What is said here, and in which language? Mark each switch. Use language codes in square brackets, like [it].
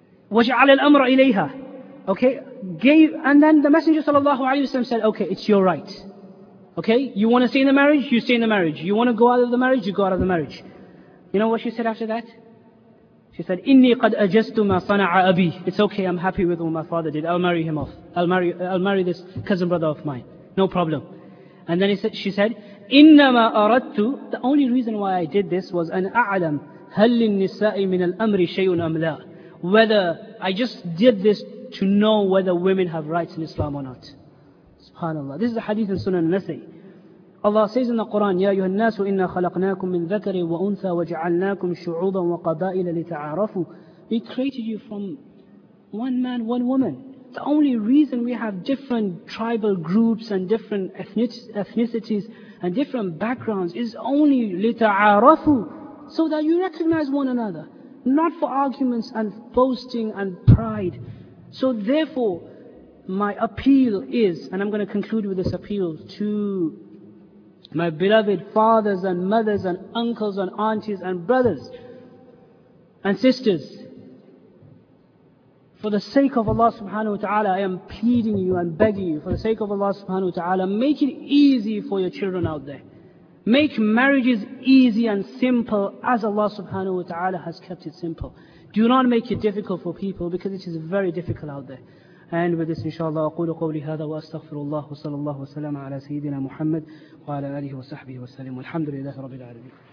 [ar] وجعل الأمر إليها. [en] Okay, gave, and then the Messenger sallallahu alayhi wa sallam said, okay, it's your right. Okay, you want to stay in the marriage, you stay in the marriage. You want to go out of the marriage, you go out of the marriage. You know what she said after that? She said, [ar] إِنِّي قَدْ أَجَزْتُ مَا صَنَعَ أَبِي. [en] It's okay, I'm happy with what my father did. I'll marry him off. I'll marry this cousin brother of mine. No problem. And then she said, [ar] إِنَّمَا أَرَدْتُ. [en] The only reason why I did this was [ar] أَنْ أَعْلَمْ هَلْ لِلنِّسَاءِ مِنَ الْأَمْرِ شَيْءٌ أَمْ لَا. [en] Whether I just did this to know whether women have rights in Islam or not. SubhanAllah. This is a hadith in Sunan Nasa'i. Allah says in the Quran, [ar] يَا أَيُّهَا النَّاسُ إِنَّا خَلَقْنَاكُمْ مِنْ ذَكَرٍ وَأُنْثَى وَجَعَلْنَاكُمْ شُعُوبًا وَقَبَائِلَ لِتَعَارَفُوا. [en] We created you from one man, one woman. The only reason we have different tribal groups and different ethnicities and different backgrounds is only لِتَعَارَفُوا, so that you recognize one another. Not for arguments and boasting and pride. So therefore, my appeal is, and I'm going to conclude with this appeal to my beloved fathers and mothers and uncles and aunties and brothers and sisters. For the sake of Allah subhanahu wa ta'ala, I am pleading you and begging you, for the sake of Allah subhanahu wa ta'ala, make it easy for your children out there. Make marriages easy and simple as Allah subhanahu wa ta'ala has kept it simple. Do not make it difficult for people, because it is very difficult out there. And with this, inshallah, [ar] أقول قولي هذا وأستغفر الله وصلى الله وسلم على سيدنا محمد وعلى آله وصحبه وسلم والحمد لله رب العالمين.